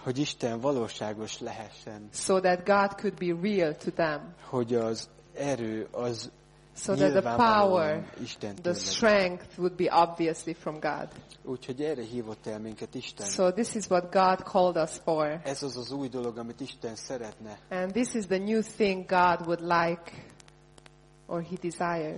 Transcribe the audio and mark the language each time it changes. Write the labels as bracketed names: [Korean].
[Hungarian] Hogy Isten valóságos lehessen. [English] So that God could be real to them. [Hungarian] Hogy az erő az. [English] So that the power, the strength would be obviously from God. [Hungarian] Úgyhogy erre hívott el minket Isten. [English] So this is what God called us for. [Hungarian] Ez az az új dolog, amit Isten szeretne. [English] And this is the new thing God would like or he desires.